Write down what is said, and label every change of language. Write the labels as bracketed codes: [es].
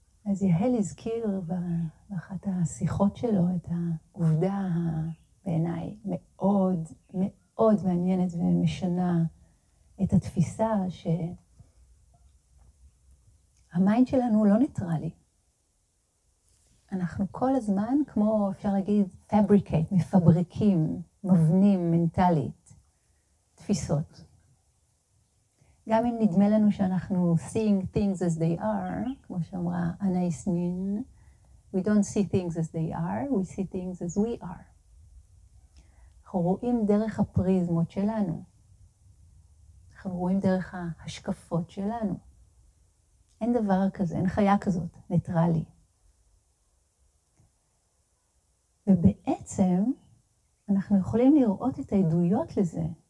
[he] אז יהל הזכיר באחת השיחות שלו את העובדה בעיניי מאוד מאוד מעניינת ומשנה את התפיסה שהמיינד שלנו לא ניטרלי. אנחנו כל הזמן, כמו אפשר להגיד, fabricate, מפבריקים, מבנים מנטלית, תפיסות. גם אם נדמה לנו שאנחנו [en] seeing things as they are, [he] כמו שאמרה אנה יסנין, [en] we don't see things as they are, we see things as we are. [he] אנחנו רואים דרך הפריזמות שלנו. אנחנו רואים דרך ההשקפות שלנו. אין דבר כזה, אין חיה כזאת, ניטרלי. ובעצם אנחנו יכולים לראות את העדויות לזה.